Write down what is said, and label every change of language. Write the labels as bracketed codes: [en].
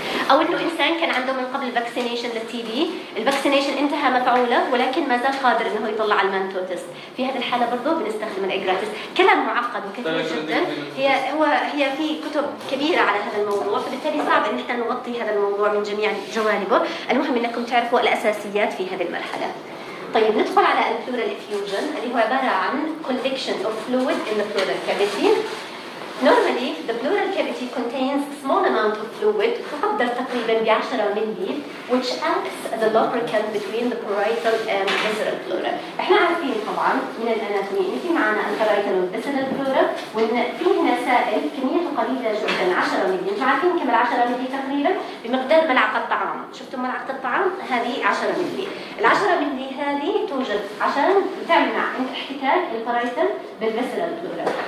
[ar] أو إنه إنسان كان عنده من قبل vaccination للتي بي، الvaccination انتهى مفعولة ولكن ما زال قادر إنه يطلع المانتو تيست، في هذه الحالة برضو بنستخدم الإجرا تيست. كلام معقد وكثير جدا، هي في كتب كبيرة على هذا الموضوع، فبالتالي صعب إن إحنا نغطي هذا الموضوع من جميع جوانبه. المهم إنكم تعرفوا الأساسيات في هذه المرحلة. طيب ندخل على الpleural effusion اللي هو عبارة عن [en] collection of fluid in the pleural cavity. Normally, the pleural cavity contains small amount of fluid, [ar] تقدر تقريباً بعشرة مللي، [en] which acts as a lubricant between the parietal and visceral pleura. [ar] إحنا عارفين طبعاً من الأناتومي إن في معنا الparietal والvisceral pleura، وإن في هنا سائل كمية قليلة جداً 10 مللي. إنتوا عارفين كم 10 مللي تقريباً؟ بمقدار ملعقة طعام. شفتوا ملعقة الطعام؟ هذه 10 مللي. العشرة مللي هذه توجد عشان تمنع احتكاك الparietal بالvisceral pleura.